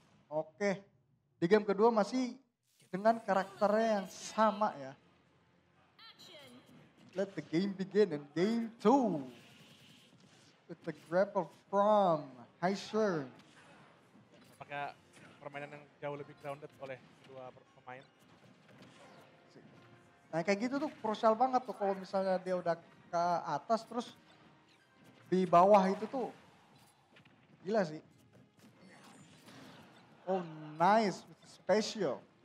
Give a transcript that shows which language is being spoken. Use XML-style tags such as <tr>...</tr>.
<id>Oke, di game kedua masih dengan karakternya yang sama ya.</id> <en>Let the game begin in game two. With the grapple from Haishern.</en> <id>Apakah permainan yang jauh lebih grounded oleh dua pemain? Nah, kayak gitu tuh krusial banget tuh kalau misalnya dia udah ke atas terus di bawah itu tuh gila sih.</id> <en>Oh, nice with the special.</en>